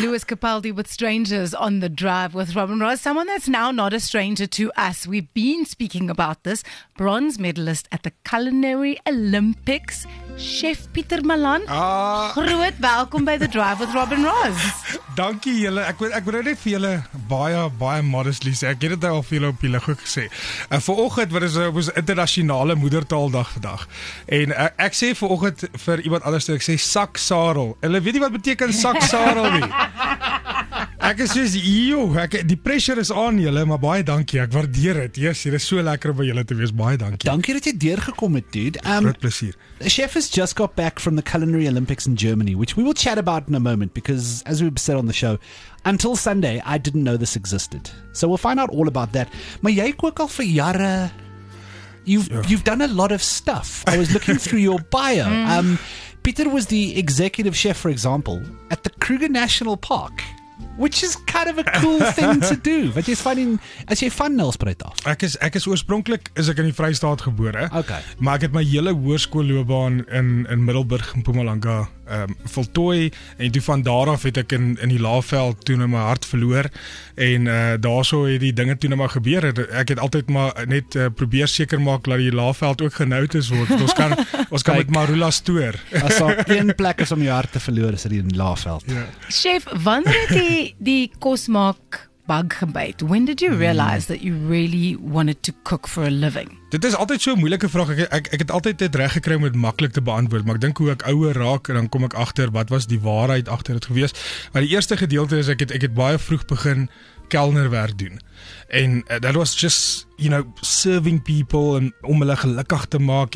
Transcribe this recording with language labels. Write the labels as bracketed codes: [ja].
[en] Lewis Capaldi with Strangers on The Drive with Rob and Roz. Someone that's now not a stranger to us. We've been speaking about this. Bronze medalist at the Culinary Olympics, Chef Pieter Malan. [af] Groot welkom by The Drive with Rob and Roz. Dankie julle. Ek wil net vir julle baie, baie modestly sê. Ek het dit al vir julle op julle goed gesê. Vanoggend wat is ons internasionale moedertaaldag vandag. En ek sê vanoggend vir iemand anders, ek sê sak sarel. Hulle weet nie wat beteken sak sarel nie. Ek is soos, die pressure is aan julle, maar baie dankie, ek waardeer het. Yes, hier is so lekker om by julle te wees, baie dankie. Dankie dat jy deurgekom het, dude. Groot plezier. [en] The chef has just got back from the Culinary Olympics in Germany, which we will chat about in a moment, because as we've said on the show, until Sunday, I didn't know this existed. So we'll find out all about that. [af] Maar jy kook al vir jare. [en] You've done a lot of stuff. I was looking through your bio. Pieter was the executive chef, for example, at the Kruger National Park. Which is kind of a cool thing to do. [af] Wat jy is van in, as jy van Nelspruit af? Ek is oorspronkelijk, is ek in die Vrystaat gebore. [en] Okay. [af] Maar ek het my hele hoërskoolloopbaan in Middelburg in Mpumalanga voltooi. En toe van daar af het ek in die Laagveld toe na my hart verloor. En daarso het die dinge toe na my gebeur. Ek het altyd maar net probeer seker maak dat die Laagveld ook genoud is. Want ons kan met Marula stoor. As al een plek is om jou hart te verloor, is dit in die Laagveld. [en] Yeah. [af] Chef, wanneer het die kosmaak bug gebyt? [en] When did you realize that you really wanted to cook for a living? [af] Dit is altyd so 'n moeilike vraag. Ek het altyd dit reg gekry om dit maklik te beantwoord, maar ek dink hoe ek ouer raak en dan kom ek agter wat was die waarheid agter dit gewees. Maar die eerste gedeelte is ek het baie vroeg begin kelnerwerk doen. [en] En that was just, you know, serving people [af] en om hulle gelukkig te maak.